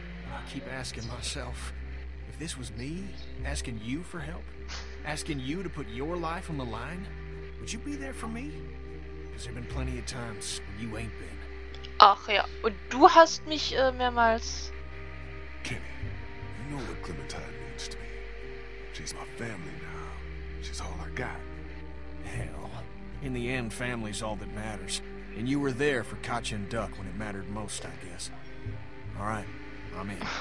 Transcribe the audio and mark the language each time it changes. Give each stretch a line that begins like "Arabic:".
English: I keep asking myself, if this was me asking you for help, asking you to put your life on the line, would you be there for me? Because there've been plenty of times when you ain't been.
German: Ach ja, und du hast mich mehrmals.
English: Kenny, you know what Clementine means to me. She's my family now. She's all I got. Hell, in the end, family's all that matters. And you were there for Katja and Duck when it mattered most, I guess. All right, I'm in.